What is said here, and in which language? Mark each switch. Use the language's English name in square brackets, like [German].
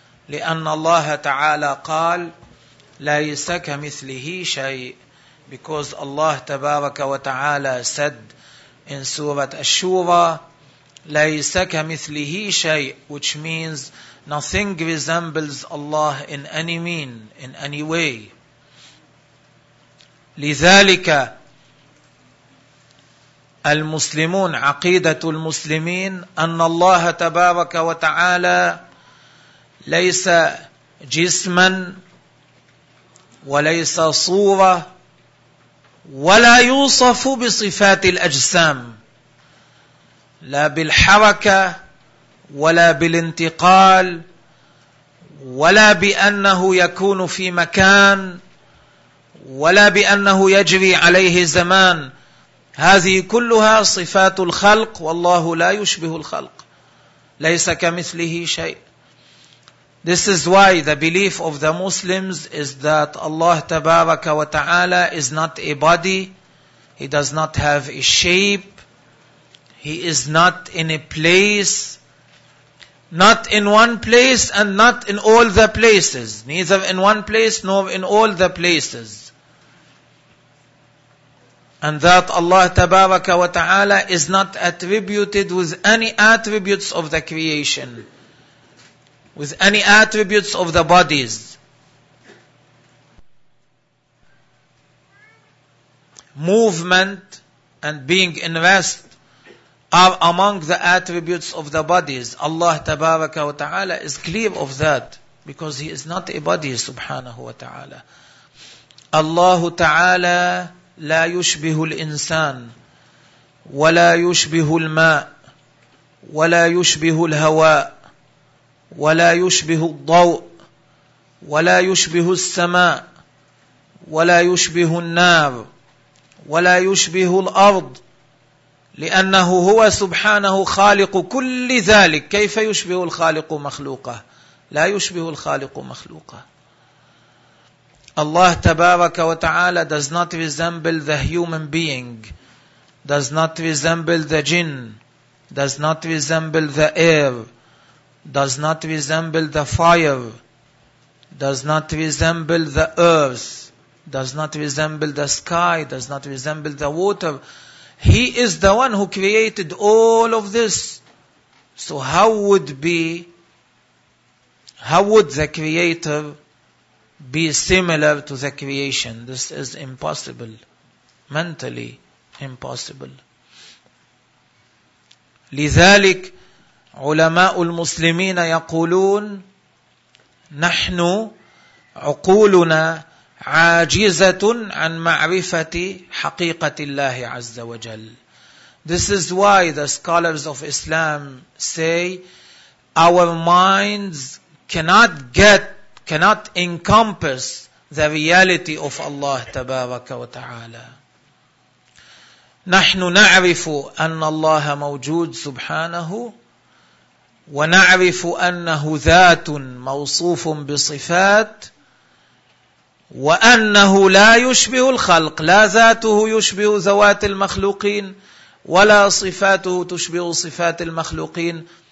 [Arabic] لِأَنَّ اللَّهَ تَعَالَى قَالَ لَيْسَ كَمِثْلِهِ شَيْءٍ. [English] Because Allah [Arabic] تَبَارَكَ وَتَعَالَى [English] said in Surah Ash-Shura, [Arabic] لَيْسَ كَمِثْلِهِ شَيْءٍ, [English] which means nothing resembles Allah in any mean, in any way. [Arabic] لِذَلِكَ المسلمون عقيدة المسلمين أن الله تبارك وتعالى ليس جسما وليس صورة ولا يوصف بصفات الأجسام لا بالحركة ولا بالانتقال ولا بأنه يكون في مكان ولا بأنه يجري عليه زمان. هذه كلها صفات الخلق والله لا يشبه الخلق ليس كمثله شيء. [English] This is why the belief of the Muslims is that Allah [Arabic] تبارك وتعالى [English] is not a body. He does not have a shape. He is not in a place. Not in one place and not in all the places. Neither in one place nor in all the places. And that Allah Tabaraka wa Ta'ala is not attributed with any attributes of the creation, with any attributes of the bodies. Movement and being in rest are among the attributes of the bodies. Allah Tabaraka wa Ta'ala is clear of that because He is not a body, Subhanahu wa Ta'ala. [Arabic] Allah Ta'ala لا يشبه الإنسان ولا يشبه الماء ولا يشبه الهواء ولا يشبه الضوء ولا يشبه السماء ولا يشبه النار ولا يشبه الأرض لأنه هو سبحانه خالق كل ذلك. كيف يشبه الخالق مخلوقه؟ لا يشبه الخالق مخلوقه. [English] Allah tabaraka wa ta'ala does not resemble the human being, does not resemble the jinn, does not resemble the air, does not resemble the fire, does not resemble the earth, does not resemble the sky, does not resemble the water. He is the one who created all of this. So how would the creator be similar to the creation? This is impossible. Mentally impossible. [Arabic] لذلك علماء المسلمين يقولون نحن عقولنا عاجزة عن معرفة حقيقة الله عز وجل. [English] This is why the scholars of Islam say our minds cannot encompass the reality of Allah [Arabic] تبارك وتعالى. نحن نعرف أن الله موجود سبحانه ونعرف أنه ذات موصوف بصفات وأنه لا يشبه الخلق، لا ذاته يشبه ذوات المخلوقين ولا صفاته تشبه صفات المخلوقين.